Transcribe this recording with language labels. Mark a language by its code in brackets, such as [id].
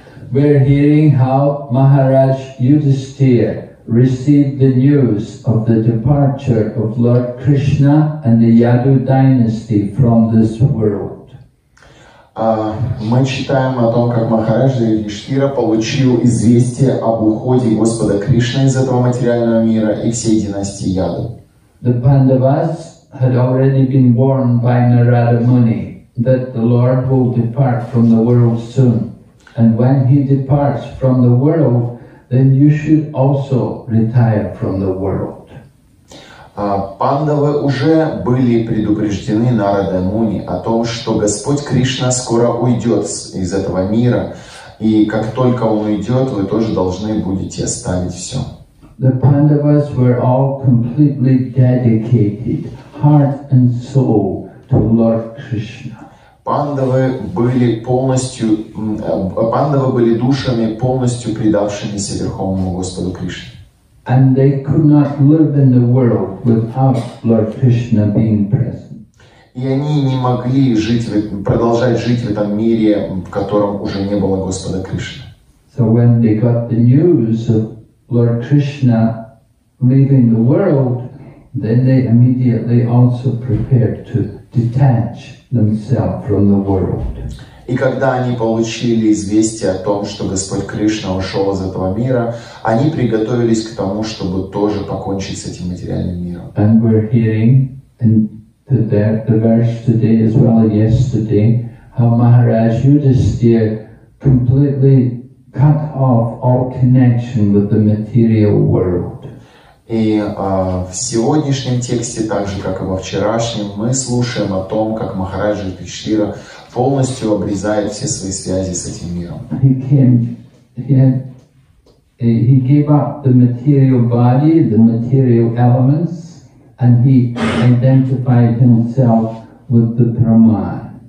[en] We're hearing how Maharaj Yudhisthira received the news of the departure of Lord Krishna and the Yadu dynasty from this world. [ru] Мы читаем о том, как Махарадж Юдхиштхира получил известие об уходе Господа Кришны из этого материального мира и всей династии Яду. [en] The Pandavas had already been warned by Narada Muni that the Lord will depart from the world soon. And when he departs from the world, then you should also retire from the world. [ru] Пандавы уже были предупреждены Нарадой Муни о том, что Господь Кришна скоро уйдет из этого мира, и как только он уйдет, вы тоже должны будете оставить все. [en] The Pandavas were all completely dedicated, heart and soul, to Lord Krishna. [ru] Пандавы были душами, полностью предавшимися Верховному Господу Кришне. [en] And they could not live in the world without Lord Krishna being present. [ru] И они не могли продолжать жить в этом мире, в котором уже не было Господа Кришны. [en] So when they got the news of Lord Krishna leaving the world, then they immediately also prepared to detach themselves from the world. [ru] И когда они получили известие о том, что Господь Кришна ушел из этого мира, они приготовились к тому, чтобы тоже покончить с этим материальным миром. [en] And we're hearing in the verse today as well as yesterday how Maharaj Yudhisthira completely cut off all connection with the material world. [ru] И в сегодняшнем тексте, так же, как и во вчерашнем, мы слушаем о том, как Махараджа Юдхиштхира полностью обрезает все свои связи с этим миром. [en] He came, he had he gave up the material body, the material elements, and he identified himself with the Brahman.